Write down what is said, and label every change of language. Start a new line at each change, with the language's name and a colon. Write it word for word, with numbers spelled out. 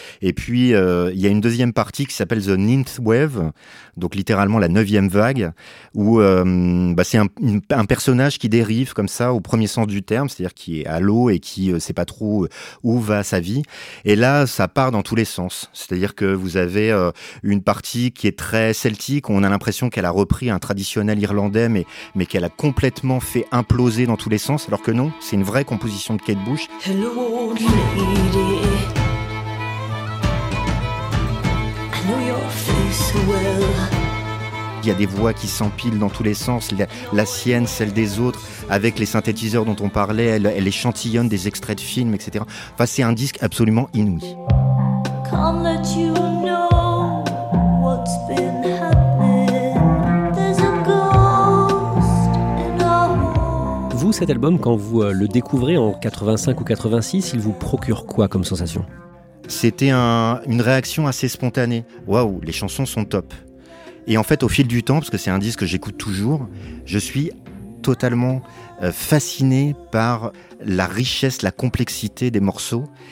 French: Et puis, euh, il y a une deuxième partie qui s'appelle The Ninth Wave, donc littéralement la neuvième vague, où euh, bah, c'est un, une, un personnage qui dérive comme ça au premier sens du terme, c'est-à-dire qui est à l'eau et qui euh, c'est pas trop où va sa vie. Et là, ça part dans tous les sens. C'est-à-dire que vous avez euh, une partie qui est très celtique, on a l'impression qu'elle a repris un traditionnel irlandais, mais, mais qu'elle a complètement fait imploser dans tous les sens, alors que non, c'est une vraie composition de Kate Bush.
English: Hello old lady, I know your face well.
French: Il y a des voix qui s'empilent dans tous les sens, la, la sienne, celle des autres, avec les synthétiseurs dont on parlait, elle, elle échantillonne des extraits de films, et cetera. Enfin, c'est un disque absolument inouï.
English: Can't let you know what's been happening. There's a ghost in our...
French: Vous, cet album, quand vous le découvrez en quatre-vingt-cinq ou quatre-vingt-six, il vous procure quoi comme sensation ? C'était un, une réaction assez spontanée. Waouh, les chansons sont top. Et en fait, au fil du temps, parce que c'est un disque que j'écoute toujours, je suis totalement fasciné par la richesse, la complexité des morceaux.